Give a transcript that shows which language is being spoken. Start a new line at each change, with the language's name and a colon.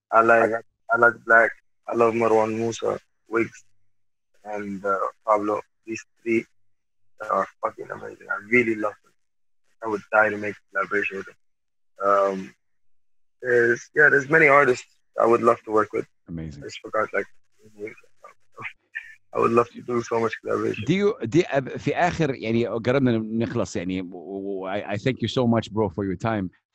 English: I like Black. I love Marwan Musa, Wiggs, and Pablo. These three are fucking amazing. I really love them. I would die to make a collaboration with them. There's many artists I would love to work with. Amazing. I just forgot, like, I would love to do so much collaboration.
Arabic: في آخر يعني قربنا نخلص يعني.
English: I thank you so much, bro, for your time.